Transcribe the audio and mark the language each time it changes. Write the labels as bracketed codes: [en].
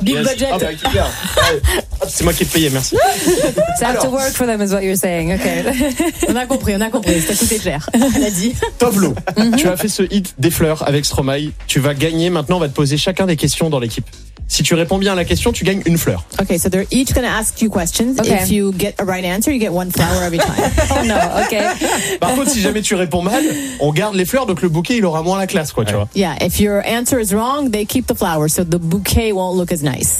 [en] Big budget. Ah, bah, [fr] c'est moi qui ai payé, merci. [en] So alors, I have to work for them, is what you're saying. Okay. [fr] On a compris. C'est tout est clair. Elle a dit. Tovlo, tu as fait ce hit des fleurs avec Stromae. Tu vas gagner. Maintenant, on va te poser chacun des questions dans l'équipe. Si tu réponds bien à la question, tu gagnes une fleur. [en] Okay, so they're each going to ask you questions. Okay. If you get a right answer, you get one flower every time. Oh no, okay. [fr] Par contre, si jamais tu réponds mal, on garde les fleurs, donc le bouquet, il aura moins la classe, quoi, tu vois. [en] Yeah, if your answer is wrong, they keep the flowers, so the bouquet won't look as nice.